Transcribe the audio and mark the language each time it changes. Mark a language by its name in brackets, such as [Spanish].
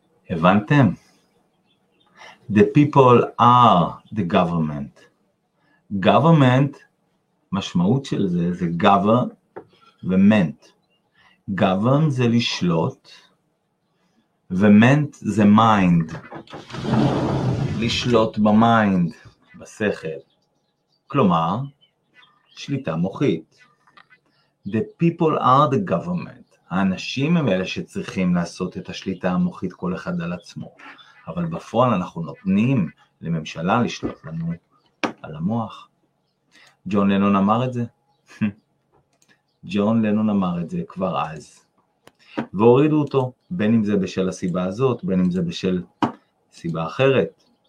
[Hebrew] הבנתם? [English] The people are the government. [Hebrew] Government, משמעות של זה, זה government. Govern זה לשלוט, ו-ment זה mind. לשלוט במיינד, בשכל. כלומר, שליטה מוחית. [English] The people are the government. [Hebrew] האנשים הם אלה שצריכים לעשות את השליטה המוחית כל אחד על עצמו, אבל בפועל אנחנו נותנים לממשלה לשלוט לנו על המוח. ג'ון לנון אמר את זה? ג'ון לנון אמר את זה כבר אז, והורידו אותו, בין אם זה בשל הסיבה הזאת, בין אם זה בשל סיבה אחרת.